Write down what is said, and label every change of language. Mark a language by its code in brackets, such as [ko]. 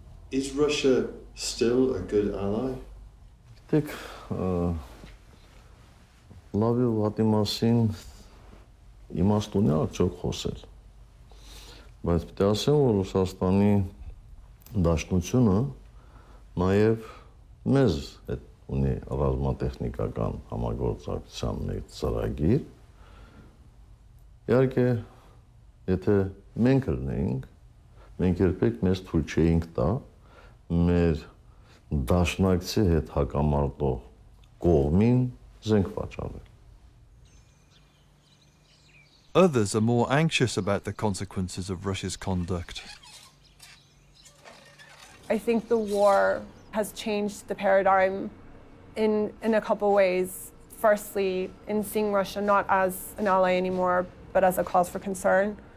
[en] Is Russia still a good ally? [hy] Նաև մեզ այդ ունի ռազմատեխնիկական համագործակցության մեր ծրագիր։ Իհարկե, եթե մենք լնեինք, մենք երբեք մեզ թույլ չէինք տա մեր դաշնակցի հետ հակամարտող կողմին զենք վաճառել։ [en] Others are more anxious about the consequences of Russia's conduct. I think the war has changed the paradigm in a couple ways. Firstly, in seeing Russia not as an ally anymore, but as a cause for concern.